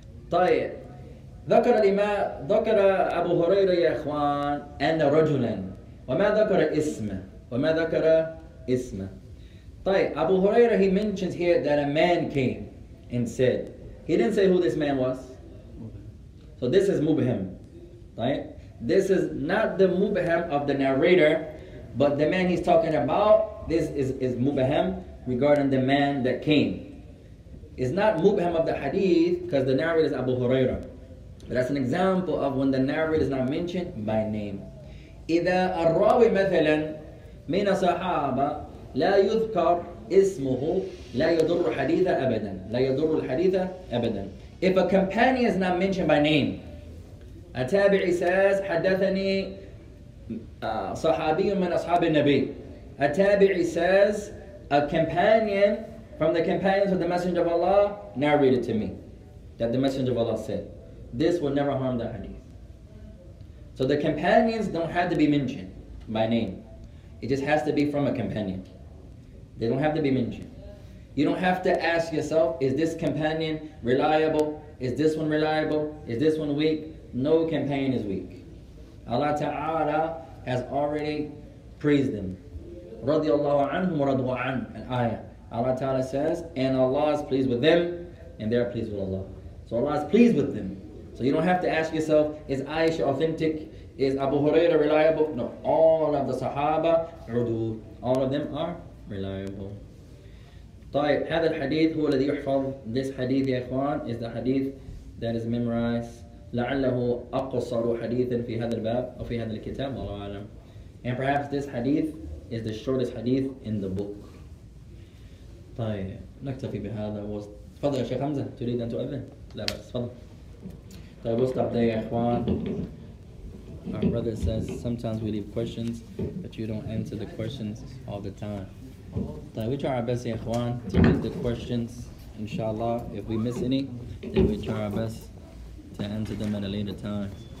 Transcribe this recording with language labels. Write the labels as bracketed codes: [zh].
[ar] طيب ذكر الإمام ذكر أبو هريرة يا إخوان أن رجلا وما ذكر اسمه وما ذكر اسمه. [en] طيب أبو هريرة, he mentions here that a man came and said, he didn't say who this man was. So this is مبهم. طيب this is not the مبهم of the narrator, but the man he's talking about, this is مبهم regarding the man that came. It's not مبهم of the hadith because the narrator is Abu Huraira. But that's an example of when the narrator is not mentioned by name. [ar] إذا الراوي مثلا من صحابة لا يذكر اسمه لا يضر الحديث أبدا لا يضر الحديث أبدا. [en] If a companion is not mentioned by name, a tabi'i says [ar] حدثني صحابي من أصحاب النبي. [en] A tabi'i says a companion from the companions of the Messenger of Allah narrated to me that the Messenger of Allah said, this will never harm the hadith. So the companions don't have to be mentioned by name. It just has to be from a companion. They don't have to be mentioned. You don't have to ask yourself, is this companion reliable? Is this one reliable? Is this one weak? No companion is weak. Allah Ta'ala has already praised them. [ar] رضي الله عنهم ورضوا عن [en] an ayah. Allah Ta'ala says, and Allah is pleased with them, and they are pleased with Allah. So Allah is pleased with them. So you don't have to ask yourself, is Aisha authentic? Is Abu Huraira reliable? No, all of the Sahaba, Udu, all of them are reliable. [ar] طيب, هذا الحديث هو الذي يحفظ. [en] This hadith, يا إخوان, is the hadith that is memorized. [ar] لعله أقصر حديث في هذا الباب أو في هذا الكتاب, والله أعلم. [en] And perhaps this hadith is the shortest hadith in the book. [ar] طيب نكتفي بهذا. تفضل يا شيخ حمزة, تريد أن تؤذن؟ لا بس تفضل. طيب وستاب داي يا إخوان. [en] Our brother says sometimes we leave questions but you don't answer the questions all the time. طيب we try our best يا إخوان to get the questions. Inshallah, if we miss any then we try our best to answer them at a later time.